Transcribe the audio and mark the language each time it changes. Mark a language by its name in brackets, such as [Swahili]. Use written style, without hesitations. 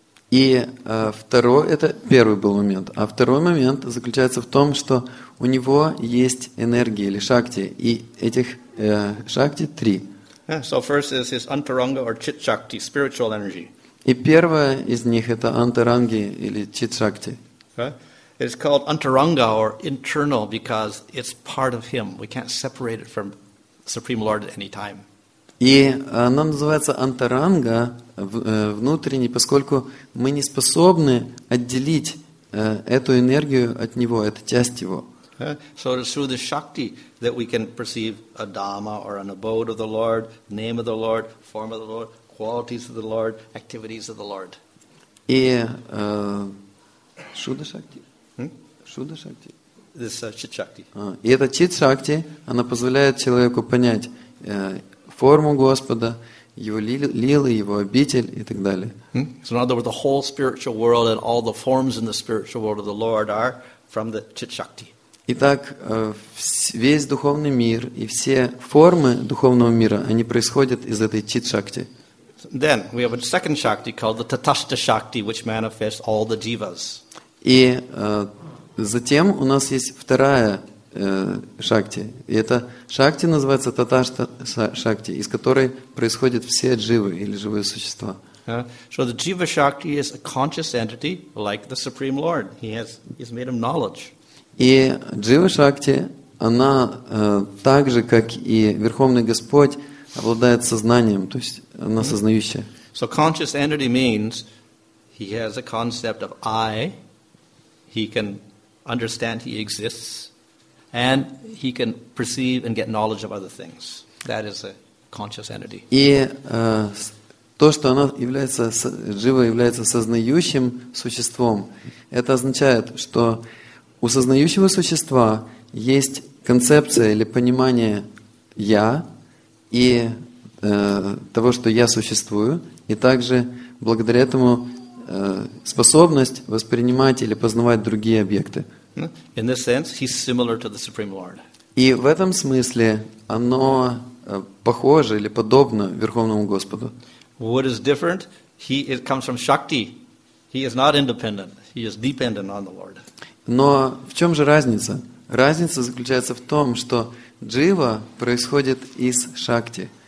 [Russian] И второй, это первый был момент. А второй момент заключается в том, что у него есть энергия или шакти. И этих шакти три. [English] So first is his antaranga or chit-шакти, spiritual energy. [Russian] И первое из них это антаранги или чит-шакти. [English] Okay. It's called antaranga or internal because it's part of him. We can't separate it from Supreme Lord at any time. [Russian] И оно называется антаранга, внутренний, поскольку мы не способны отделить эту энергию от него, это часть его. [English] So it's through the shakti that we can perceive a dhamma or an abode of the Lord, name of the Lord, form of the Lord, qualities of the Lord, activities of the Lord. [Russian] И шуда-шакти? Шуда-шакти? [English] This chit-шакти. [Russian] И эта чит-шакти, она позволяет человеку понять форму Господа, его лилы, его обитель и так далее. [English] So in other words, the whole spiritual world and all the forms in the spiritual world of the Lord are from the chit-шакти. [Russian] Итак, весь духовный мир и все формы духовного мира, они происходят из этой чит-шакти. [English] Then we have a second shakti called the tatastha shakti, which manifests all the jivas. [Russian] И затем у нас есть вторая шакти. И эта шакти называется таташта шакти, из которой происходят все дживы или живые существа. [English] So the jiva shakti is a conscious entity like the Supreme Lord. He's made him knowledge. [Russian] И джива шакти, она так же, как и Верховный Господь, обладает сознанием, то есть она сознающая. [English] So conscious entity means he has a concept of I, he can understand he exists, and he can perceive and get knowledge of other things. That is a conscious entity. [Russian] И то, что она является живо является сознающим существом, это означает, что у сознающего существа есть концепция или понимание я и того, что я существую, и также благодаря этому способность воспринимать или познавать другие объекты. [English] In this sense, he's similar to the Supreme Lord. [Russian] И в этом смысле оно похоже или подобно Верховному Господу. [English] What is different? It comes from Shakti. He is not independent. He is dependent on the Lord. [Russian] Но в чем же разница? Разница заключается в том, что джива происходит из Шакти.